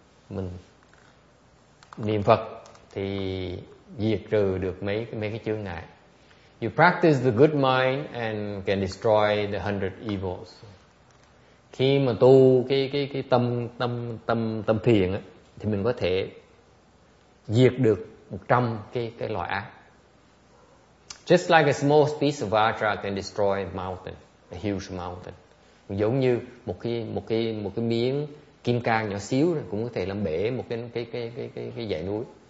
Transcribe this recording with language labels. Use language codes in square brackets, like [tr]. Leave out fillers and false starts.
[vi] Mình niệm Phật thì diệt trừ được mấy cái chướng ngại. [en] You practice the good mind and can destroy the 100 evils. [vi] Khi mà tu cái tâm thiện á, thì mình có thể diệt được 100 cái loại ác. [en] Just like a small piece of vajra can destroy a mountain, a huge mountain. [vi] Giống như một cái miếng kim cang nhỏ xíu cũng có thể làm bể một cái dãy núi.